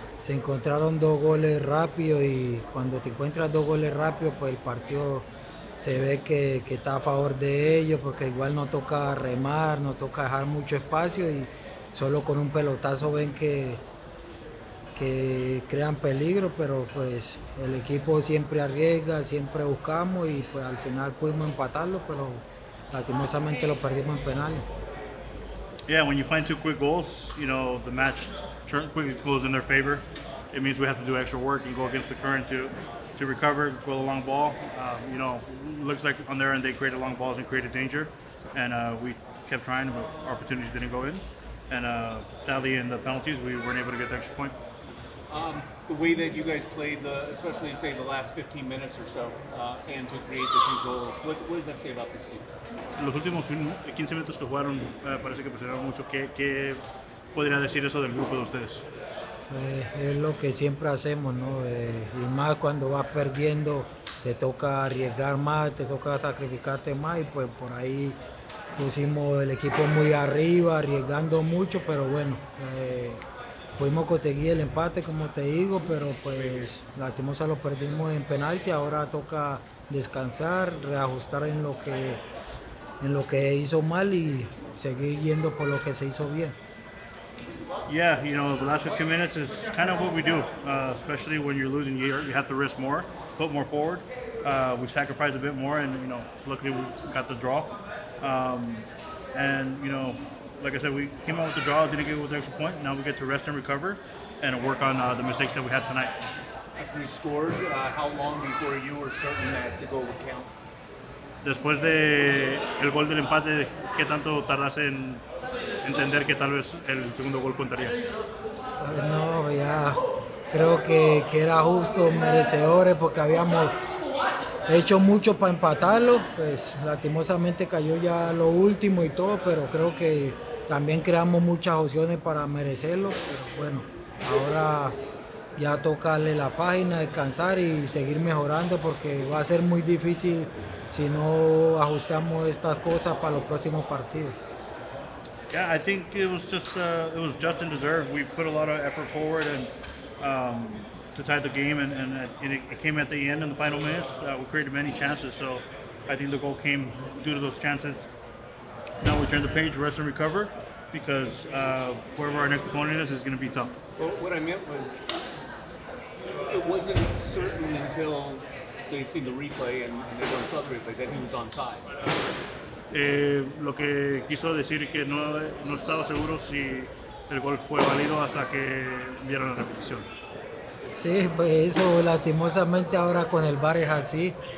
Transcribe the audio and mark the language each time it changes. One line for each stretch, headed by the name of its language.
Spanish: se encontraron dos goles rápidos y cuando te encuentras dos goles rápidos, pues el partido se ve que está a favor de ellos porque igual no toca remar, no toca dejar mucho espacio y solo con un pelotazo ven que crean peligro, pero pues el equipo siempre arriesga, siempre buscamos y pues al final pudimos empatarlo, pero lastimosamente lo perdimos en penales.
English: Yeah, when you find two quick goals, you know, the match quickly goes in their favor. It means we have to do extra work and go against the current to recover, go the long ball. You know, looks like on their end they created long balls and created danger. And we kept trying, but opportunities didn't go in. And sadly, in the penalties, we weren't able to get the extra point. The way that you guys played, especially say the last 15 minutes or so, and to create the two goals, what does that say about this team?
Spanish: Los últimos 15 minutos que jugaron parece que presionaron mucho. ¿Qué podría decir eso del grupo de ustedes? Es lo que siempre hacemos, ¿no? Y más cuando vas perdiendo, te toca arriesgar más, te toca sacrificarte más y pues por ahí pusimos el equipo muy arriba, arriesgando mucho, pero bueno, pudimos conseguir el empate, como te digo, pero pues lastimosa lo perdimos en penalti. Ahora toca descansar, reajustar en lo que hizo mal y seguir yendo por lo que se hizo bien.
English: Yeah, you know, the last 15 minutes is kind of what we do, especially when you're losing, you have to risk more, put more forward. We sacrificed a bit more, and you know, luckily we got the draw. And you know, like I said, we came out with the draw, didn't get with the extra point. Now we get to rest and recover and work on the mistakes that we had tonight. After you scored, how long before you were certain that the goal would count?
Spanish: Después del gol del empate, ¿qué tanto tardaste en entender que tal vez el segundo gol contaría? No, ya creo que era justo, merecedores, porque habíamos hecho mucho para empatarlo. Pues lastimosamente cayó ya lo último y todo, pero creo que también creamos muchas opciones para merecerlo. Pero bueno, ahora ya tocarle la página, descansar y seguir mejorando, porque va a ser muy difícil si no ajustamos estas cosas para los próximos partidos.
English: Yeah, I think it was just and deserved. We put a lot of effort forward and to tie the game, and it came at the end in the final minutes. We created many chances, so I think the goal came due to those chances. Now we turn the page, rest and recover, because wherever our next opponent is going to be tough. Well, what I meant was, it wasn't certain until they'd seen the replay and they don't saw the replay that he was onside.
Spanish: Lo que quiso decir que no estaba seguro si el gol fue válido hasta que vieron la repetición. Sí, pues eso lastimosamente ahora con el VAR es así.